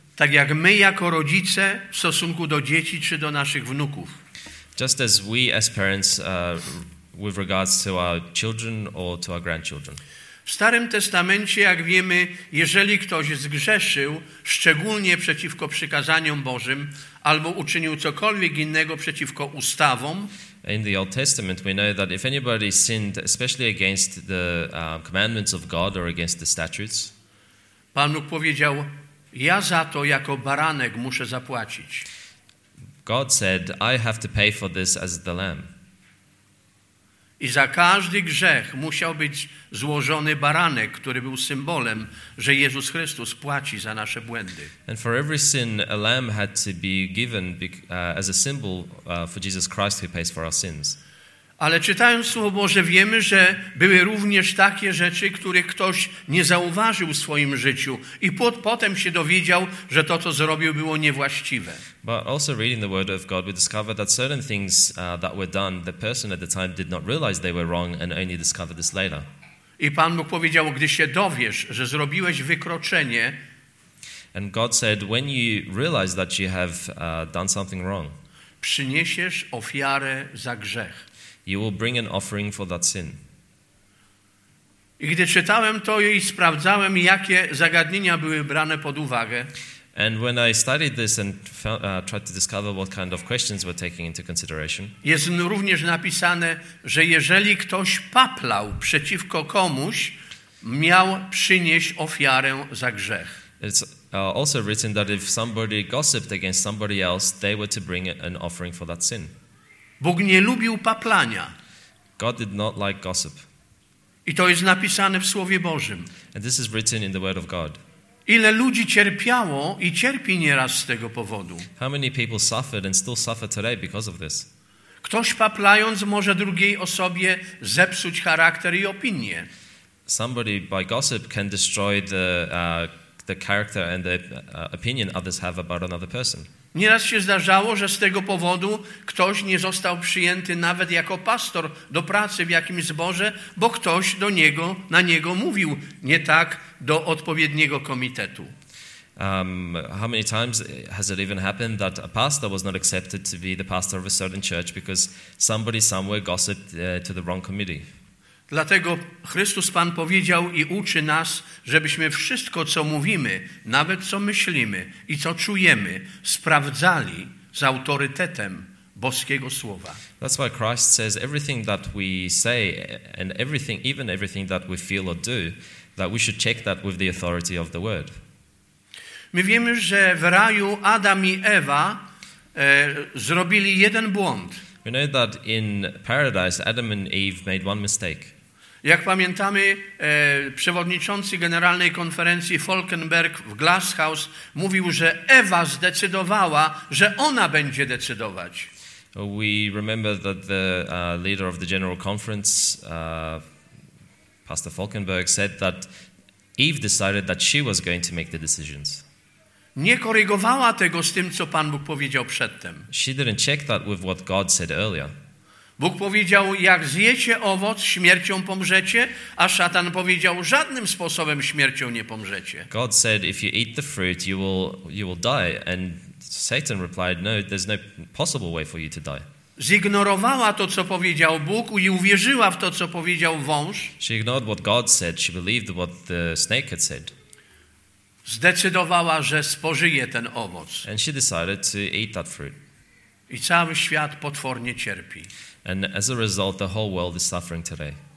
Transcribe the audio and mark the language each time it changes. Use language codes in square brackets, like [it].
[pl] Tak jak my jako rodzice w stosunku do dzieci czy do naszych wnuków. [en] Just as we as parents with regards to our children or to our grandchildren. [pl] W Starym Testamencie, jak wiemy, jeżeli ktoś zgrzeszył, szczególnie przeciwko przykazaniom Bożym, albo uczynił cokolwiek innego przeciwko ustawom, [en] in the Old Testament we know that if anybody sinned, especially against the commandments of God or against the statutes, [pl] Pan Bóg powiedział, ja za to jako baranek muszę zapłacić. [en] God said, I have to pay for this as the lamb. [pl] I za każdy grzech musiał być złożony baranek, który był symbolem, że Jezus Chrystus płaci za nasze błędy. [en] And for every sin, a lamb had to be given as a symbol for Jesus Christ who pays for our sins. [pl] Ale czytając Słowo Boże, wiemy, że były również takie rzeczy, których ktoś nie zauważył w swoim życiu i potem się dowiedział, że to, co zrobił, było niewłaściwe. [en] But also reading the Word of God, we discover that certain things that were done, the person at the time did not realize they were wrong and only discovered this later. [pl] I Pan Bóg powiedział, gdy się dowiesz, że zrobiłeś wykroczenie, [en] and God said, when you realize that you have done something wrong, przyniesiesz ofiarę za grzech. You will bring an offering for that sin. [pl] I gdy czytałem to i sprawdzałem, jakie zagadnienia były brane pod uwagę, [en] and when I studied this and tried to discover what kind of questions were taken into consideration, [pl] jest również napisane, że jeżeli ktoś paplał przeciwko komuś, miał przynieść ofiarę za grzech. [en] It's also written that if somebody gossiped against somebody else, they were to bring an offering for that sin. [pl] Bóg nie lubił paplania. [en] God did not like gossip. [pl] I to jest napisane w Słowie Bożym. [en] And this is written in the Word of God. [pl] Ile ludzi cierpiało i cierpi nieraz z tego powodu. [en] How many people suffered and still suffer today because of this? [pl] Ktoś paplając może drugiej osobie zepsuć charakter i opinię. [en] Somebody by gossip can destroy the character and the opinion others have about another person. [pl] Nieraz się zdarzało, że z tego powodu ktoś nie został przyjęty nawet jako pastor do pracy w jakimś zborze, bo ktoś do niego, na niego mówił nie tak do odpowiedniego komitetu. [en] How many times has it even happened that a pastor was not accepted to be the pastor of a certain church because somebody somewhere gossiped to the wrong committee? [pl] Dlatego Chrystus Pan powiedział i uczy nas, żebyśmy wszystko, co mówimy, nawet co myślimy i co czujemy, sprawdzali z autorytetem Boskiego Słowa. [en] That's why Christ says everything that we say and everything, even everything that we feel or do, that we should check that with the authority of the Word. [pl] My wiemy, że w raju Adam i Ewa zrobili jeden błąd. [en] We know that in paradise, Adam and Eve made one mistake. [pl] Jak pamiętamy, przewodniczący generalnej konferencji Falkenberg w Glasshouse mówił, że Ewa zdecydowała, że ona będzie decydować. [en] We remember that the leader of the general conference, Pastor Falkenberg, said that Eve decided that she was going to make the decisions. [pl] Nie korygowała tego z tym, co Pan Bóg powiedział przedtem. [en] She didn't check that with what God said earlier. [pl] Bóg powiedział, jak zjecie owoc, śmiercią pomrzecie, a szatan powiedział, żadnym sposobem śmiercią nie pomrzecie. [en] God said, if you eat the fruit, you will die. And Satan replied, no, there's no possible way for you to die. [pl] Zignorowała to, co powiedział Bóg i uwierzyła w to, co powiedział wąż. [en] She ignored what God said, she believed what the snake had said. [pl] Zdecydowała, że spożyje ten owoc. [en] And she decided to eat that fruit. [pl] I cały świat potwornie cierpi. [en] And as a result, the whole world is suffering today.